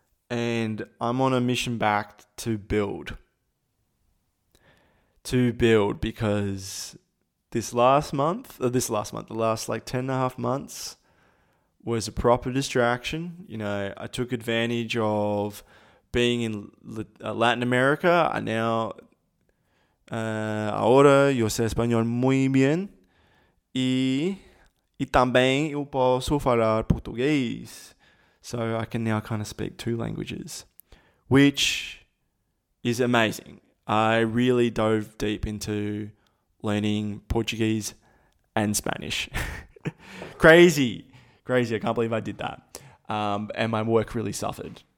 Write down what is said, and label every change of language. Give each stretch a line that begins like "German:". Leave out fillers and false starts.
English: And I'm on a mission back to build. To build, because the last 10 and a half months was a proper distraction. You know, I took advantage of being in Latin America. I now,
Spanish: ahora yo sé español muy bien. Y también yo puedo hablar portugués.
English: So I can now kind of speak two languages, which is amazing. I really dove deep into learning Portuguese and Spanish. Crazy. I can't believe I did that. And my work really suffered.